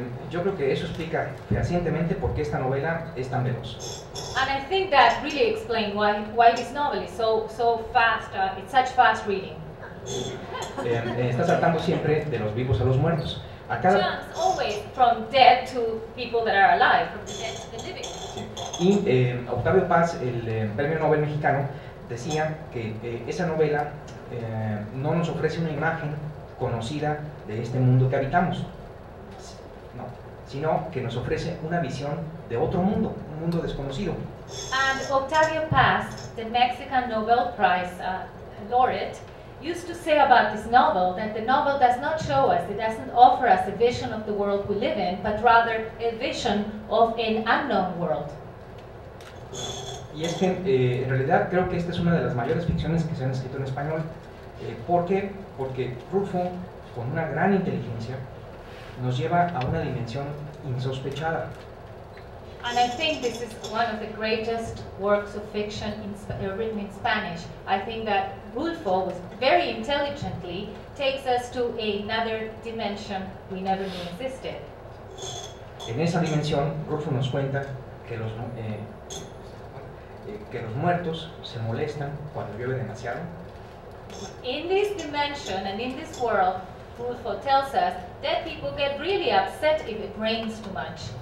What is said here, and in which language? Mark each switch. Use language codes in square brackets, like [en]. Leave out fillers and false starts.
[es] Yo creo que eso explica fehacientemente por qué esta novela es tan veloz. [en] And I think that really explains why this novel is so fast, it's such fast reading. [es] Está saltando siempre de los vivos a los muertos. A cada... [en] Jumps always from dead to people that are alive, from the dead to the living. [es] Y Octavio Paz, el premio Nobel mexicano, decía que esa novela no nos ofrece una imagen conocida de este mundo que habitamos, sino que nos ofrece una visión de otro mundo, un mundo desconocido. [en] And Octavio Paz, the Mexican Nobel Prize laureate, used to say about this novel that the novel does not show us, it doesn't offer us a vision of the world we live in, but rather a vision of an unknown world. [es] Y es que, en realidad, creo que esta es una de las mayores ficciones que se han escrito en español. ¿Por qué? Porque Rulfo, con una gran inteligencia, nos lleva a una dimensión insospechada. [en] And I think this is one of the greatest works of fiction written in Spanish. I think that Rulfo was very intelligently takes us to another dimension we never knew existed. [es] En esa dimensión, Rulfo nos cuenta que los muertos se molestan cuando llueve demasiado. [en] In this dimension and in this world, Rulfo tells us dead people get really upset if it rains too much.